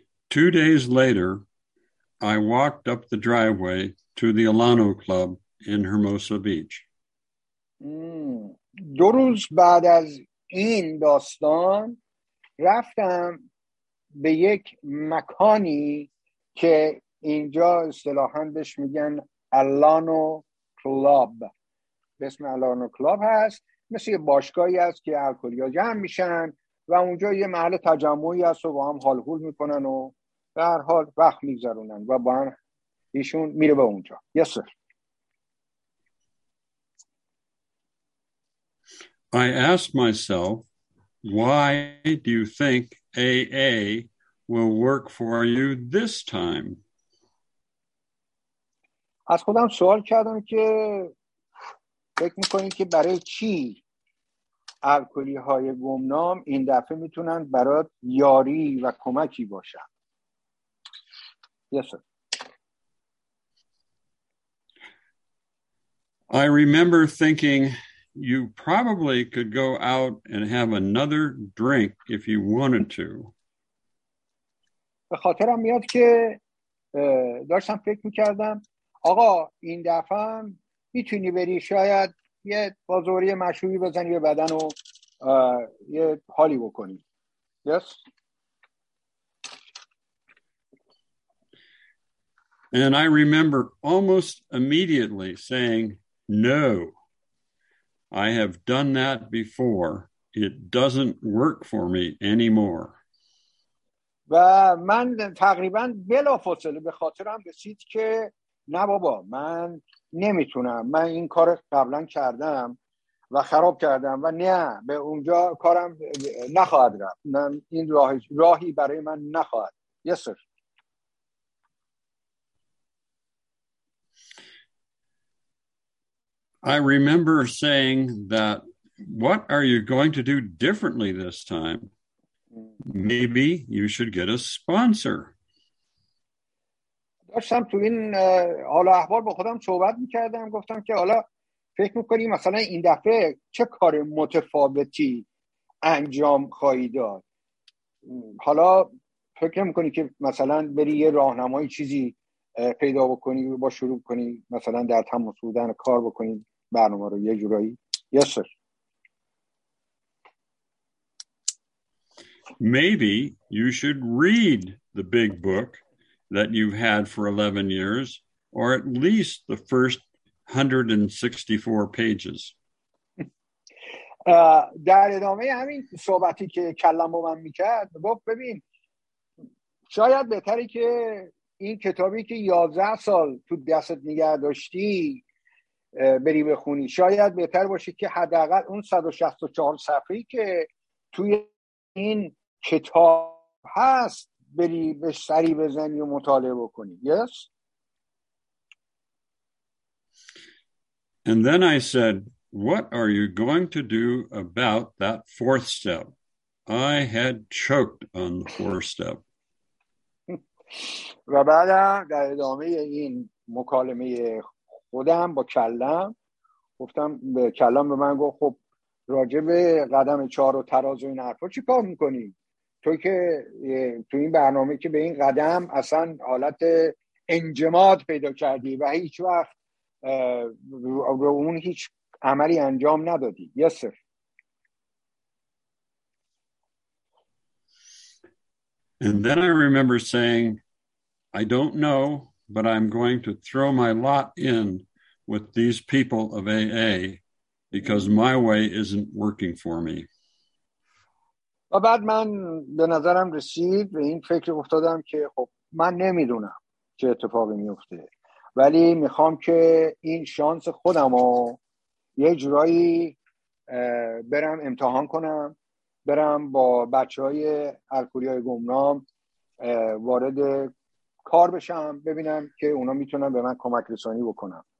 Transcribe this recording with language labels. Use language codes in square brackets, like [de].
[en] Two days later, I walked up the driveway to the Alano Club in Hermosa Beach. [fa] دو روز بعد از این داستان رفتم به یک مکانی که اینجا اصطلاحاً بهش میگن Alano Club. به اسم Alano Club هست، مثل یه باشگاهی هست که الکلی‌ها جمع میشن و اونجا یه محل تجمعی هست و با هم حال حول میکنن و در هر حال وقت میگذرونن، و با هم ایشون میره به اونجا. [en] Yes, sir. I asked myself, Why do you think AA will work for you this time? [fa] از خودم سوال کردم که فکر میکنید که برای چی الکلی های گمنام این دفعه میتونن برای یاری و کمکی باشن؟ [en] Yes, sir. I remember thinking you probably could go out and have another drink if you wanted to. [fa] به خاطرم میاد که داشتم فکر میکردم آقا این دفعه هم میتونی بری شاید یه بازوری مشروبی بزنی به بدن و یه حالی بکنی. [en] Yes. And I remember almost immediately saying, no, I have done that before. It doesn't work for me anymore. [fa] و من تقریبا بلافاصله به خاطرم رسید که نه بابا من نمیتونم. من این کار قبلا کردم و خراب کردم و نه به اونجا کارم نخواهد رفت. من این راهی برای من نخواهد. [en] Yes, sir. I remember saying that what are you going to do differently this time? Maybe you should get a sponsor. [fa] داشتم تو این حال احوال با خودم صحبت میکردم، گفتم که حالا فکر میکنی مثلا این دفعه چه کار متفاوتی انجام خواهی داد؟ حالا فکر میکنی که مثلا بری یه راهنمایی چیزی پیدا بکنی با شروع کنی مثلا در تماس بودن کار بکنی برنامه رو یه جورایی؟ [en] Yes, sir. Maybe you should read the big book that you've had for 11 years, or at least the first 164 pages. [fa] در ادامه همین صحبتی که کلم با من میکرد گفت ببین شاید بهتری که این کتابی که 11 سال تو دستت نگه داشتی بری بخونی. شاید بهتر باشه که حداقل اون 164 صفحه‌ای که توی این کتاب هست بری به سری بزنی و مطالعه بکنی. [en] Yes. And then I said, what are you going to do about that fourth step? I had choked on the fourth step. [fa] و بعد در ادامه این مکالمه خودم با کلم گفتم به کلم به من گفت خب راجع به قدم چهار و ترازو این حرفا چی کار میکنی؟ توی که تو این برنامه که به این قدم اصلا حالت انجماد پیدا کردی و هیچ وقت به اون هیچ عملی انجام ندادی. [en] Yes, sir. And then I remember saying, I don't know, but I'm going to throw my lot in with these people of AA because my way isn't working for me. [fa] و بعد من به نظرم رسید به این فکر افتادم که خب من نمیدونم چه اتفاقی میفته ولی میخوام که این شانس خودم رو یه جورایی برم امتحان کنم، برم با بچه های الکلی های گمنام وارد کار بشم، ببینم که اونا میتونن به من کمک رسانی بکنم.